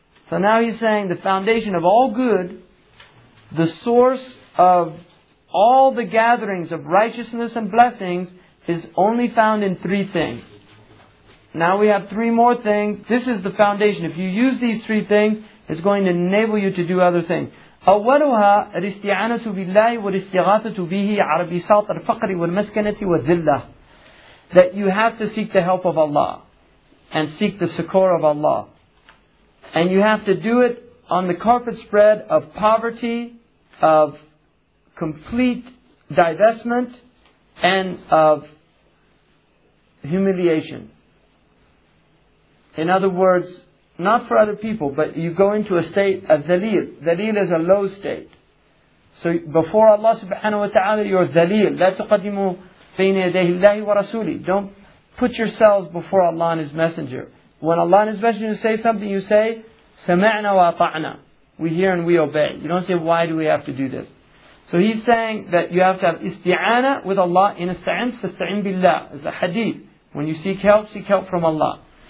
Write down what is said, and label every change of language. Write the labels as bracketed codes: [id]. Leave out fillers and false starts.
[en] So now he's saying the foundation of all good, the source of all the gatherings of righteousness and blessings is only found in three things. Now we have three more things. This is the foundation. If you use these three things, it's going to enable you to do other things. [ar] أولها الاستعانة بالله والاستغاثة به على بساط الفقر والمسكنة والذلة. [en] That you have to seek the help of Allah and seek the succor of Allah. And you have to do it on the carpet spread of poverty, of complete divestment, and of humiliation. In other words, not for other people, but you go into a state of dhalil. Dhalil is a low state. So before Allah subhanahu wa ta'ala, you're dhalil. [ar] لا تقدموا بين يديه الله ورسوله. [en] Don't put yourselves before Allah and His Messenger. When Allah and His Messenger say something, you say, [ar] سمعنا وأطعنا. [en] We hear and we obey. You don't say, why do we have to do this? So he's saying that you have to have isti'ana with Allah. [ar] In isti'an, fasti'in billah. [en] It's a hadith. When you seek help from Allah.